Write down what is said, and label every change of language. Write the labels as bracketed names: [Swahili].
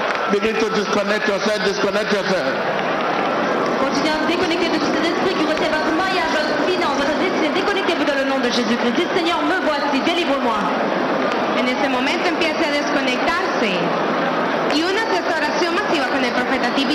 [English] Begin to disconnect yourself, disconnect yourself. Continue to disconnect [French] de tout cet esprit qui retient votre mariage, votre finance, votre destinée. Déconnectez-vous dans le nom de Jésus-Christ. Dites, Seigneur, me voici, délivre-moi. [Spanish] En ese momento empiece a desconectarse. Y una restauración masiva con el profeta T.B.